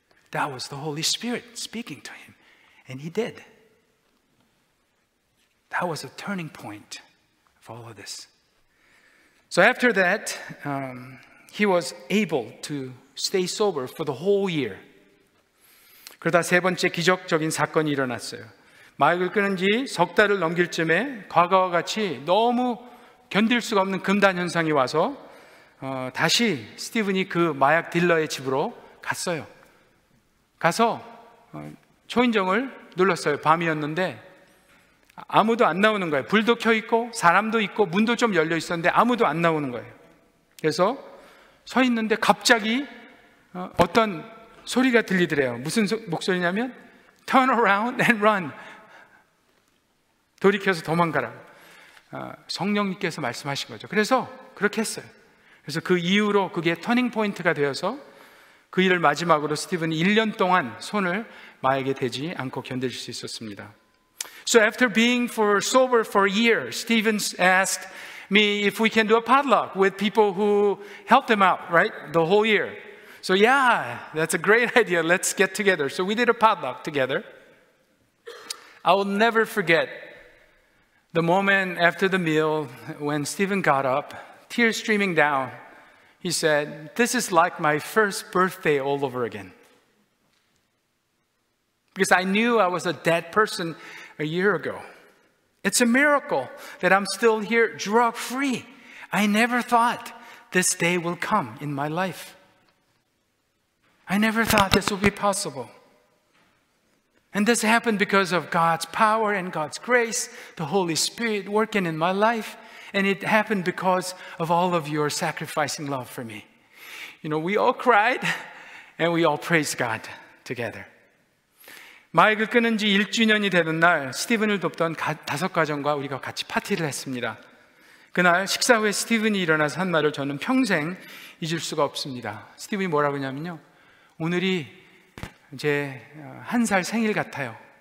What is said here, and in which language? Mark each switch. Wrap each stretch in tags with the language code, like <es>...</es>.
<en>That was the Holy Spirit speaking to him. And he did. That was a turning point of all of this. So after that, he was able to stay sober for the whole year.</en> <ko>그러다 세 번째 기적적인 사건이 일어났어요. 마약을 끊은 지 석 달을 넘길 쯤에 과거와 같이 너무 견딜 수가 없는 금단 현상이 와서 다시 스티븐이 그 마약 딜러의 집으로 갔어요. 가서 초인종을 눌렀어요. 밤이었는데 아무도 안 나오는 거예요. 불도 켜 있고 사람도 있고 문도 좀 열려 있었는데 아무도 안 나오는 거예요. 그래서 서 있는데 갑자기 어떤 소리가 들리더래요. 무슨 목소리냐면</ko> <en>Turn around and run.</en> <ko>돌이켜서 도망가라. 성령님께서 말씀하신 거죠. 그래서 그렇게 했어요. 그래서 그 이후로 그게 터닝포인트가 되어서 그 일을 마지막으로 스티븐은 1년 동안 손을 마약에 대지 않고 견딜 수 있었습니다.</ko> <en>So after being sober for a year, Stephen asked me if we can do a potluck with people who helped him out, right? The whole year. So yeah, that's a great idea. Let's get together. So we did a potluck together. I will never forget the moment after the meal when Stephen got up, tears streaming down. He said, this is like my first birthday all over again. Because I knew I was a dead person a year ago. It's a miracle that I'm still here drug free. I never thought this day will come in my life. I never thought this would be possible. And this happened because of God's power and God's grace, the Holy Spirit working in my life. And it happened because of all of your sacrificing love for me. You know, we all cried and we all praised God together.</en> <ko>마약을 끊은 지 1주년이 되는 날 스티븐을 돕던 다섯 가정과 우리가 같이 파티를 했습니다. 그날 식사 후에 스티븐이 일어나서 한 말을 저는 평생 잊을 수가 없습니다. 스티븐이 뭐라고 했냐면요. 오늘이 이제 한 살 생일 같아요.</ko>